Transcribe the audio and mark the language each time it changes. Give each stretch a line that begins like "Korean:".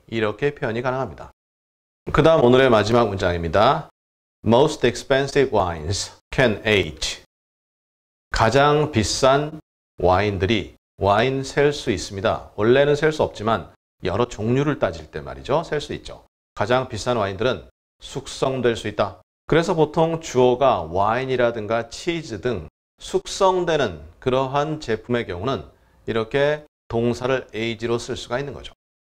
Korean: 이렇게 표현이 가능합니다. 그 다음 오늘의 마지막 문장입니다.
English: Most expensive wines can age.
Korean: 가장 비싼 와인들이 와인 셀 수 있습니다. 원래는 셀 수 없지만 여러 종류를 따질 때 말이죠. 셀 수 있죠. 가장 비싼 와인들은 숙성될 수 있다. 그래서 보통 주어가 와인이라든가 치즈 등 숙성되는 그러한 제품의 경우는 이렇게 동사를 age로 쓸 수가 있는 거죠.